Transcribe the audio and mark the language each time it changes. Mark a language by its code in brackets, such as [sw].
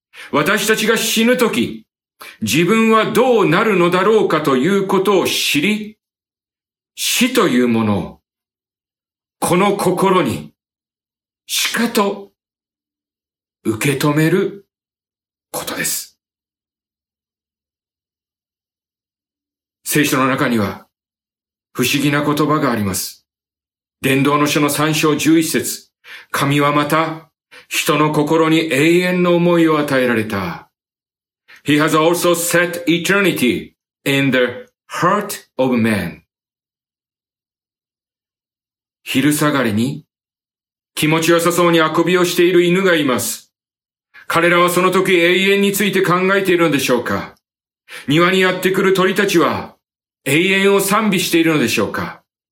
[ja] 私たちが死ぬとき、自分はどうなるのだろうかということを知り、死というものをこの心にしかと受け止めることです。聖書の中には不思議な言葉があります。伝道の書の3章11節、神はまた人の心に永遠の思いを与えられた。 [en] He has also set eternity in the heart of man. [ja] 昼下がりに気持ちよさそうにあくびをしている犬がいます。彼らはその時永遠について考えているのでしょうか。庭にやってくる鳥たちは永遠を賛美しているのでしょうか。